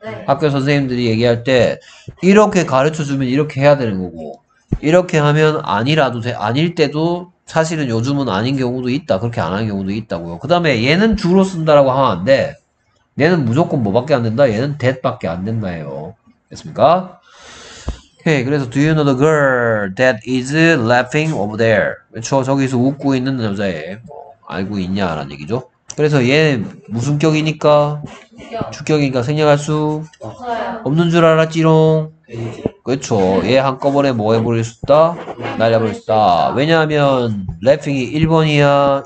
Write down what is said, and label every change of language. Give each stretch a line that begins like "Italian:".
Korean: 학교 선생님들이 얘기할 때 이렇게 가르쳐 주면 이렇게 해야 되는 거고 이렇게 하면 아니라도 돼. 아닐 때도 사실은 요즘은 아닌 경우도 있다. 그렇게 안 하는 경우도 있다고요. 그 다음에 얘는 주로 쓴다라고 하면 안 돼. 얘는 무조건 뭐밖에 안 된다? 얘는 that밖에 안 된다 해요. 됐습니까? 오케이. 그래서
English: Do you know the girl that is laughing over there?
Korean: 그렇죠. 저기서 웃고 있는 남자애 뭐 알고 있냐 라는 얘기죠. 그래서 얘 무슨 격이니까? 주격이니까 생략할 수 없는 줄 알았지롱. 그렇죠. 얘 한꺼번에 뭐 해버릴 수 있다? 날려버릴 수 있다. 왜냐하면 래핑이 1번이야?